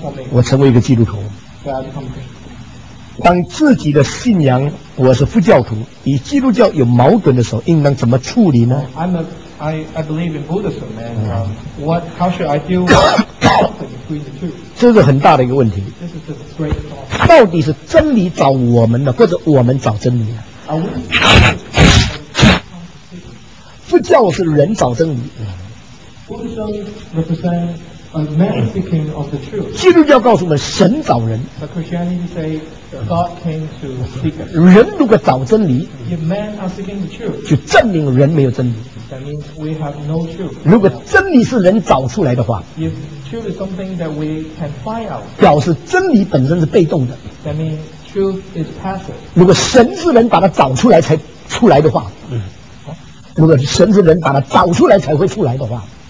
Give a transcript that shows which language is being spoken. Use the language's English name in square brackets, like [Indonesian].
[Chinese] 我成为一个基督徒，当自己的信仰，我是佛教徒，与基督教有矛盾的时候，应当怎么处理呢？ [English] I believe in Buddhism, and what, how should I deal between the two? [Chinese] 这是很大的一个问题。 [English] This is a great problem. [Chinese] 到底是真理找我们呢，或者我们找真理呢？佛教是人找真理。 [English] Buddhism represents a man seeking of the truth. [Chinese] 基督教告诉我们神找人。 [English] But Christianity say God came to seek us. [Chinese] 人如果找真理， [English] if man are seeking the truth, [Chinese] 就证明人没有真理。 [English] That means we have no truth. [Chinese] 如果真理是人找出来的话， [English] if truth is something that we can find out, [Chinese] 表示真理本身是被动的。 [English] That means truth is passive. [Chinese] 如果神是人把它找出来才出来的话，如果神是人把它找出来才会出来的话，